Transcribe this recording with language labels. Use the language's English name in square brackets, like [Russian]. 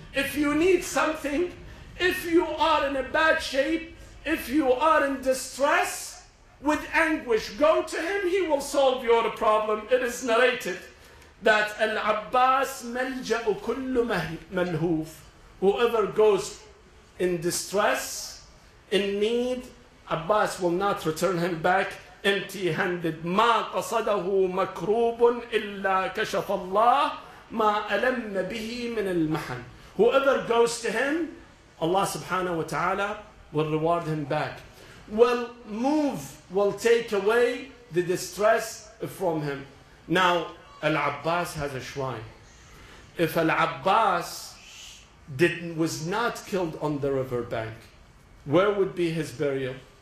[English] If you need something, if you are in a bad shape, if you are in distress, with anguish, go to him, he will solve your problem. It is narrated that al-Abbas malja'u kullu malhoof. Whoever goes in distress, in need, Abbas will not return him back empty-handed. [Arabic] ما قصده مكروب إلا كشف الله ما ألم به من المحن. [English] Whoever goes to him, Allah subhanahu wa ta'ala will reward him back, will move, will take away the distress from him. Now, Al-Abbas has a shrine. If Al-Abbas was not killed on the riverbank, where would be his burial?